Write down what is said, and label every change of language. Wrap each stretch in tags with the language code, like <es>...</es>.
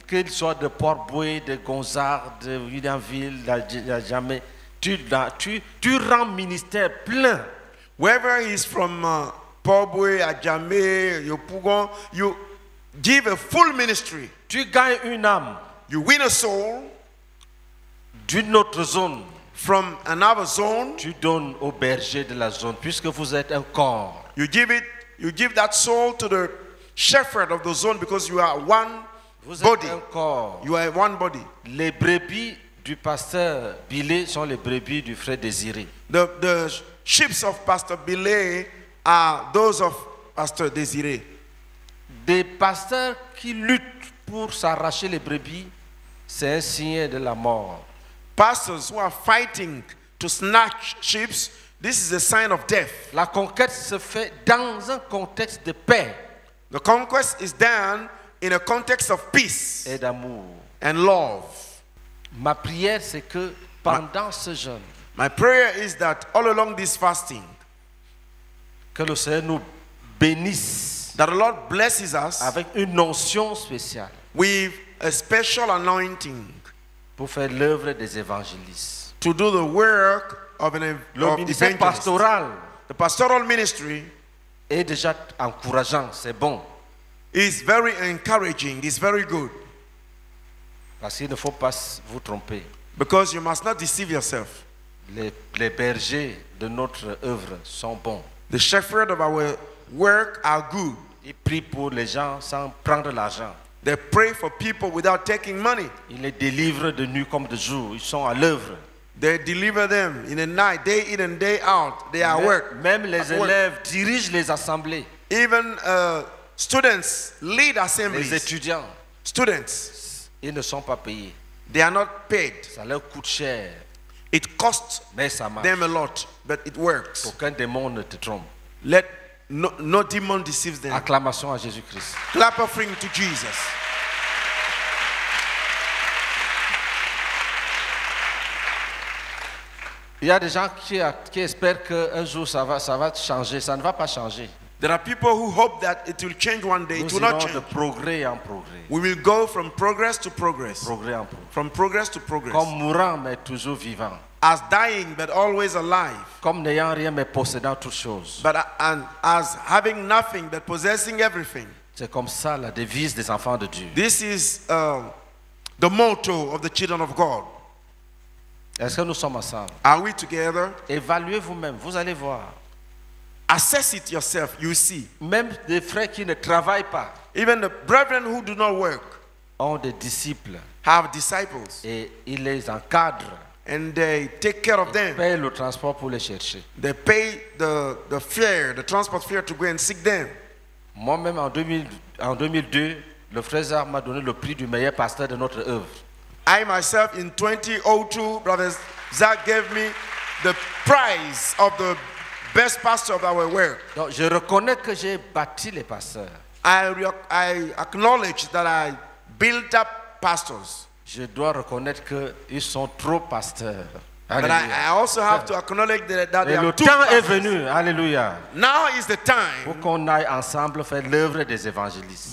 <fr>Qu'il soit de Port-Boué, de Gonzard, de Williamville, de Jamais. Tu rends ministère plein.</fr> <en>Wherever he's from. Pobwe, Ajame, Yopougon, you give a full ministry.</en> <fr>Tu gagnes une âme.</fr> <en>You win a soul.</en> <fr>D'une autre zone.</fr> <en>From another zone.</en> <fr>Tu donnes au berger de la zone, puisque vous êtes un corps.</fr> <en>You give that soul to the shepherd of the zone because you are one body. You are one body.</en> <fr>Les brebis du pasteur Billy sont les brebis du frère Désiré.</fr> <en>The sheep of Pastor Billy are those of Pastor Désiré.</en> <fr>Des pasteurs qui luttent pour s'arracher les brebis, c'est un signe de la mort.</fr> <en>Pastors who are fighting to snatch sheep, this is a sign of death.</en> <fr>La conquête se fait dans un contexte de paix.</fr> <en>The conquest is done in a context of peace</en> <fr>et d'amour</fr> <en>and love.</en> <fr>Ma prière c'est que pendant ce jeûne,</fr> <en>my prayer is that all along this fasting,</en> <fr>que le Seigneur nous bénisse,</fr> <en>that the Lord blesses us,</en> <fr>avec une onction spéciale,</fr> <en>with a special anointing,</en> <fr>pour faire l'œuvre des évangélistes,</fr> <en>to do the work of an pastoral, the pastoral ministry,</en> <fr>est déjà encourageant, c'est bon.</fr> <en>It's very encouraging. It's very good.</en> <fr>Parce qu'il ne faut pas vous tromper.</fr> <en>Because you must not deceive yourself.</en> <fr>Les bergers de notre œuvre sont bons.</fr> <en>The shepherds of our work are good.</en> <fr>Ils prient pour les gens sans prendre l'argent.</fr> <en>They pray for people without taking money.</en> <fr>Ils les délivrent de nuit comme de jour. Ils sont à l'œuvre.</fr> <en>They deliver them in the night, day in and day out. They are work.</en> <fr>Même les élèves dirigent les assemblées.</fr> <en>Even students lead assemblies.</en> <fr>Les étudiants.</fr> <en>Students.</en> <fr>Ils ne sont pas payés.</fr> <en>They are not paid.</en> <fr>Ça leur coûte cher.</fr> <en>It costs</en> <fr>mais ça marche.</fr> <en>Them a lot, but it works.</en> <fr>Aucun démon ne te trompe.</fr> <en>Let no demon deceives them.</en> <fr>Acclamation à Jésus-Christ.</fr> <en>Clap offering to Jesus.</en> <fr>Il y a des gens qui espèrent que un jour ça va changer. Ça ne va pas changer.</fr> <en>There are people who hope that it will change one day.</en> <fr>Nous</fr> <en>it will not change.</en> <fr>De progrès en progrès.</fr> <en>We will go from progress to progress.</en> <fr>Progrès en progrès.</fr> <en>From progress to progress.</en> <fr>Comme mourant mais toujours vivant.</fr> <en>As dying but always alive.</en> <fr>Comme n'ayant rien mais possédant toutes choses.</fr> <en>But and as having nothing but possessing everything.</en> <fr>C'est comme ça la devise des enfants de Dieu.</fr> <en>This is the motto of the children of God.</en> <fr>Est-ce que nous sommes ensemble?</fr> <en>Are we together?</en> <fr>Évaluez vous-même, vous allez voir.</fr> <en>Assess it yourself, you see.</en> <fr>Même des frères qui ne travaillent pas.</fr> <en>Even the brethren who do not work.</en> <fr>Ont des disciples.</fr> <en>Have disciples.</en> <fr>Et ils les encadrent.</fr> <en>And they take care of them.</en> <fr>Ils payent le transport pour les chercher.</fr> <en>They pay the fare, the transport fare to go and seek them.</en> <fr>Moi-même en 2002, le frère Zahar m'a donné le prix du meilleur pasteur de notre œuvre.</fr> <en>I myself in 2002, brothers, Zach gave me the prize of the best pastor of our work.</en> <fr>Donc, je reconnais que j'ai bâti les pasteurs.</fr> <en>I acknowledge that I built up pastors.</en> <fr>Je dois reconnaître que ils sont trop pasteurs.</fr> <en>But I also have to acknowledge that they</en> <fr>le</fr> <en>are</en> <fr>temps est venu, alléluia.</fr> <en>Now is the time.</en> <fr>Pour qu'on aille ensemble faire l'œuvre des évangélistes.</fr>